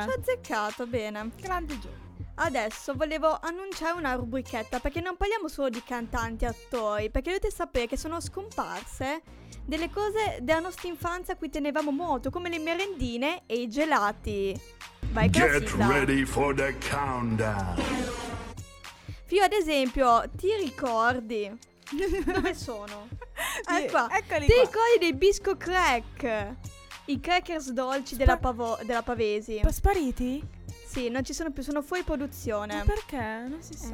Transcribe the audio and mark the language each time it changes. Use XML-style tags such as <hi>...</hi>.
<it>Ho azzeccato, bene. Grande giorno. Adesso volevo annunciare una rubrichetta, perché non parliamo solo di cantanti e attori, perché dovete sapere che sono scomparse delle cose della nostra infanzia a cui tenevamo molto, come le merendine e i gelati. Vai,</it> <en>get ready for the countdown.</en> <it>Fio, ad esempio, ti ricordi? Dove sono? Qua. Eccoli qua. Ti ricordi dei Bisco Crack? I crackers dolci della Pavesi. Spariti? Sì, non ci sono più, sono fuori produzione. Ma perché? Non si sa.</it>